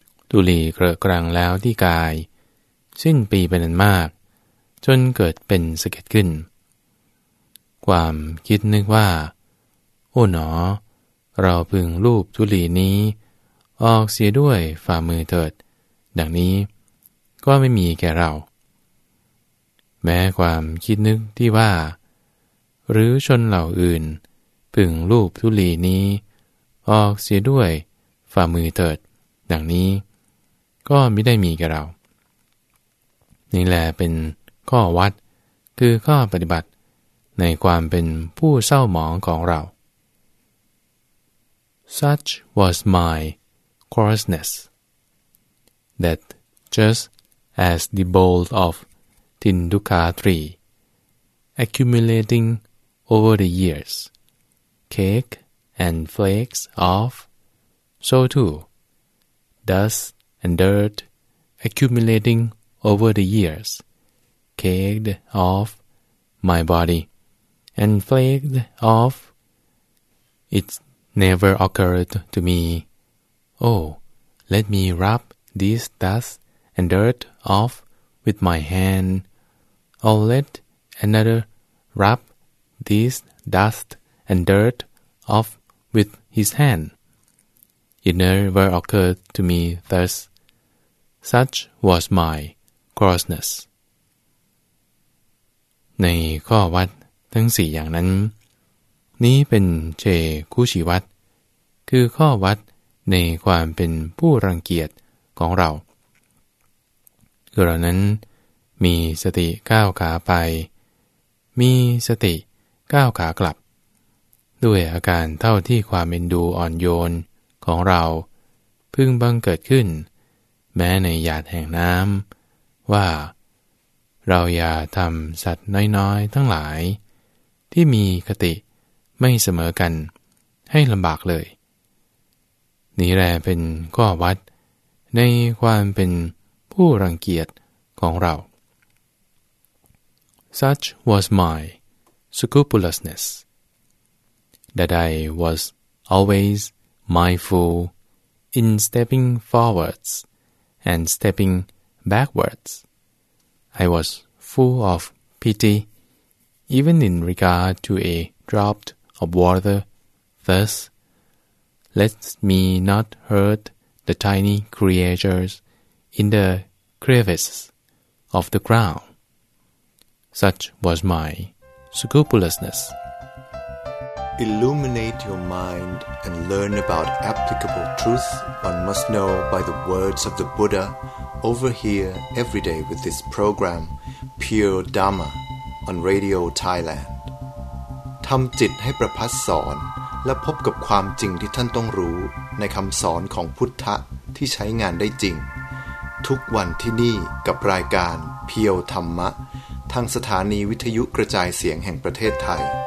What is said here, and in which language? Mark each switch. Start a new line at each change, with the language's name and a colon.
Thai: ตุลีเกลกรังแล้วที่กายสิ้นปีเป็นอันมากจนเกิดเป็นสะเก็ดขึ้นความคิดนึกว่าโอ้หนอเราพึงรูปทุลีนี้ออกเสียด้วยฝ่ามือเถิดดังนี้ก็ไม่มีแก่เราแม้ความคิดนึกที่ว่าหรือชนเหล่าอื่นพึงรูปทุลีนี้ออกเสียด้วย ฝ่ามือเถิดดังนี้ก็ไม่ได้มีแก่เรานี่แหละเป็นข้อวัดคือข้อปฏิบัติในความเป็นผู้เศร้าหมองของเรา
English: Such was my coarseness that just as the bolt of Tindukha tree accumulating over the years cake and flakes of so too dust and dirt accumulating over the years caked off my body and flaked off it never occurred to me oh let me rub this dust and dirt off with my hand or let another rub this dust and dirt off with his hand it never occurred to me thus such was my grossness
Thai: ในข้อวัดทั้ง4อย่างนั้นนี้เป็นเฉคุชีวัดคือข้อวัดในความเป็นผู้รังเกียจของเรา คือเรานั้นมีสติก้าวขาไปมีสติก้าวขากลับด้วยอาการเท่าที่ความเอ็นดูอ่อนโยนของเราพึ่งบังเกิดขึ้นแม้ในหยาดแห่งน้ำว่า เราอย่าทำสัตว์น้อยๆทั้งหลายที่มีคติไม่เสมอกันให้ลำบากเลยนี่แหละเป็นข้อวัดในความเป็นผู้รังเกียจของเรา
English: Such was my scrupulousness that I was always mindful in stepping forwards and stepping backwards. I was full of pity even in regard to a drop of water. Thus, let me not hurt the tiny creatures in the crevices of the ground. Such was my scrupulousness. Illuminate your mind and learn about applicable truth one must know by the words of the Buddha over here every day with this program Pure Dharma on Radio Thailand.
Thai: ทำจิตให้ประพัสสอนและพบกับความจริงที่ท่านต้องรู้ในคำสอนของพุทธะที่ใช้งานได้จริงทุกวันที่นี่กับรายการเพียวธรรมะทางสถานีวิทยุกระจายเสียงแห่งประเทศไทย